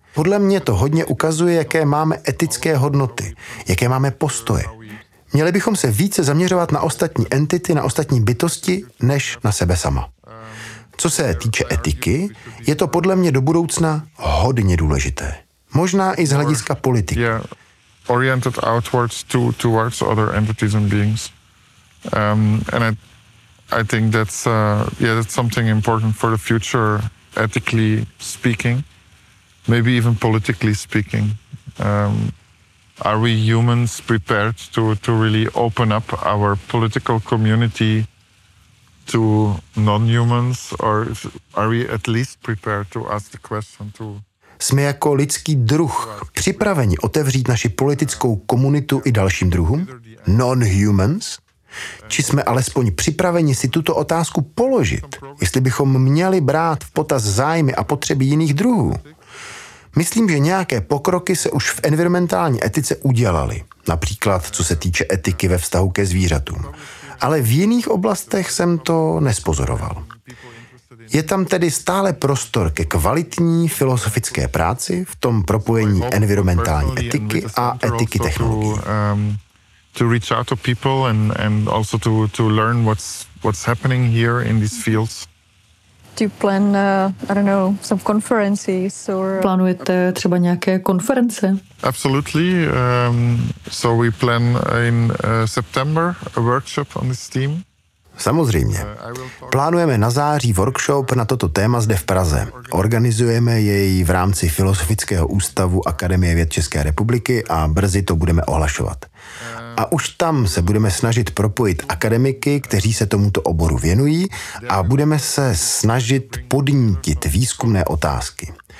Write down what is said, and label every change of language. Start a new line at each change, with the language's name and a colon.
Czech: Podle mě to hodně ukazuje, jaké máme etické hodnoty, jaké máme postoje. Měli bychom se více zaměřovat na ostatní entity, na ostatní bytosti, než na sebe sama. Co se týče etiky, je to podle mě do budoucna hodně důležité. Možná i z hlediska politiky.
English: Oriented outwards towards other entities and beings. And I think that's that's something important for the future, ethically speaking, maybe even politically speaking. Are we humans prepared to really open up our political community to non-humans, or are we at least prepared to ask the question to?
Czech: Jsme jako lidský druh připraveni otevřít naši politickou komunitu i dalším druhům?
English: Non-humans?
Czech: Či jsme alespoň připraveni si tuto otázku položit, jestli bychom měli brát v potaz zájmy a potřeby jiných druhů? Myslím, že nějaké pokroky se už v environmentální etice udělaly, například co se týče etiky ve vztahu ke zvířatům. Ale v jiných oblastech jsem to nespozoroval. Je tam tedy stále prostor ke kvalitní filozofické práci v tom propojení environmentální etiky a etiky technologií.
English: To reach out to people and also to learn what's happening here in these fields. To plan, some conferences or
Czech: plánujete třeba nějaké konference?
English: Absolutely. So we plan in September a workshop on this theme.
Czech: Samozřejmě. Plánujeme na září workshop na toto téma zde v Praze. Organizujeme jej v rámci Filozofického ústavu Akademie věd České republiky a brzy to budeme ohlašovat. A už tam se budeme snažit propojit akademiky, kteří se tomuto oboru věnují, a budeme se snažit podnítit výzkumné otázky.